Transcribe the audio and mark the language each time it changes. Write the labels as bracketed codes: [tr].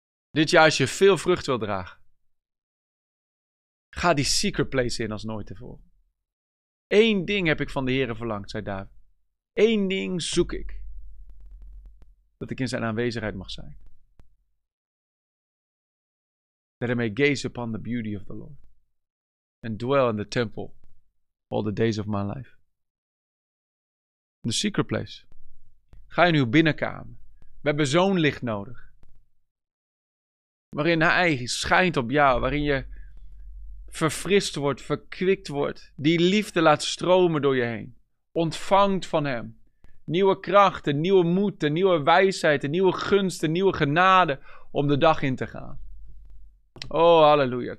[nl] Dit jaar als je veel vrucht wil dragen. Ga die secret place in als nooit tevoren. Eén ding heb ik van de Heere verlangd, zei David. Eén ding zoek ik. Dat ik in zijn aanwezigheid mag zijn. [en] That I may gaze upon the beauty of the Lord. And dwell in the temple all the days of my life. The secret place. [nl] Ga in uw binnenkamer. We hebben zo'n licht nodig. Waarin hij schijnt op jou. Waarin je verfrist wordt, verkwikt wordt. Die liefde laat stromen door je heen. Ontvangt van hem. Nieuwe krachten, nieuwe moed, nieuwe wijsheid, nieuwe gunsten, nieuwe genade om de dag in te gaan. Oh, halleluja.